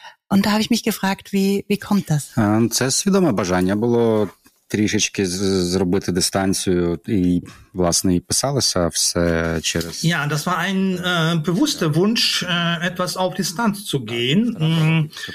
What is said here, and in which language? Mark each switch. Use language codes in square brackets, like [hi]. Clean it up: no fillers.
[de] Und da habe ich mich gefragt, wie kommt das? [uk] Це свідоме бажання було трішечки зробити дистанцію і, власне, і писалося все через... [de] Ja, das war ein bewusster Wunsch, etwas auf Distanz zu gehen.